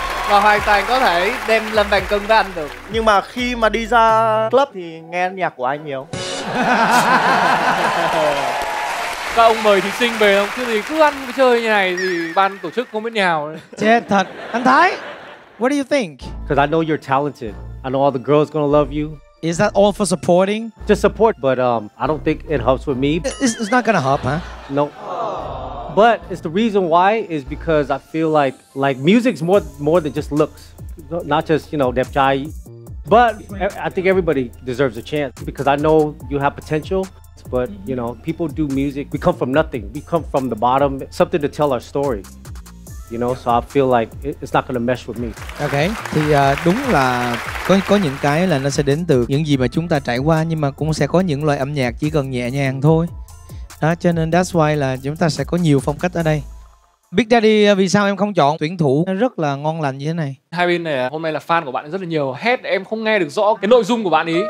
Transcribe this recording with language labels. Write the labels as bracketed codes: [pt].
[vi] Và hoàn toàn có thể đem lên bàn cân với anh được. Nhưng mà khi mà đi ra club thì nghe nhạc của anh nhiều. Các ông mời thí sinh về không? Chứ thì cứ ăn chơi như này thì ban tổ chức không biết nhào. Chết thật, anh [en] Thái. What do you think? Because I know you're talented. I know all the girls gonna love you. Is that all for supporting? Just support, but I don't think it helps with me. It's not gonna help, huh? No. Nope. But it's the reason why is because I feel like music's more than just looks, not just, you know, Def Jai. But I think everybody deserves a chance because I know you have potential. But you know, people do music. We come from nothing. We come from the bottom. Something to tell our story. You know, so I feel like it's not gonna mesh with me. [vi] Okay, thì đúng là có những cái là nó sẽ đến từ những gì mà chúng ta trải qua, nhưng mà cũng sẽ có những loại âm nhạc chỉ cần nhẹ nhàng thôi. Đó, cho nên [en] that's why [vi] là chúng ta sẽ có nhiều phong cách ở đây. Big Daddy, vì sao em không chọn tuyển thủ rất là ngon lành như thế này? Hai bên này hôm nay là fan của bạn rất là nhiều. Hét em không nghe được rõ cái nội dung của bạn ý.